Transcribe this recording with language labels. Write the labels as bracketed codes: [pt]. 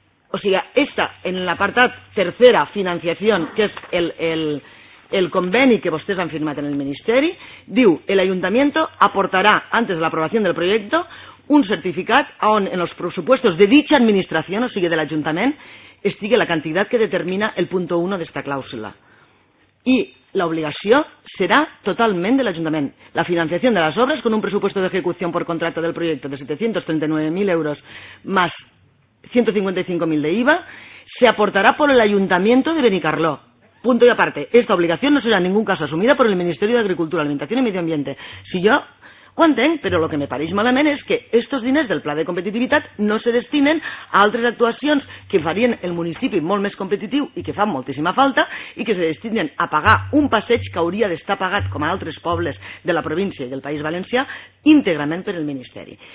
[ca] O sigui, aquesta, en l'apartat tercera, financiació, que és el conveni que vostès han firmat en el Ministeri, diu que l'Ajuntament aportarà, antes de l'aprovació del projecte, un certificat on en els pressupostos de dicha administració, o sigui de l'Ajuntament, estigui la quantitat que determina el punt 1 d'aquesta clàusula. I l'obligació serà totalment de l'Ajuntament. La financiació de les obres, con un pressupost d'execució per contracte del projecte de 739.000 euros més 155.000 de IVA, s'aportarà per l'Ajuntament de Benicarló. [es] Punto y aparte, esta obligación no será en ningún caso asumida por el Ministerio de Agricultura, Alimentación y Medio Ambiente. Si yo [ca] Ho entenc, però el que me pareix malament és que aquests diners del pla de competitivitat no se destinen a altres actuacions que farien el municipi molt més competitiu i que fan moltíssima falta, i que se destinen a pagar un passeig que hauria d'estar pagat, com a altres pobles de la província i del País Valencià, íntegrament per el Ministeri.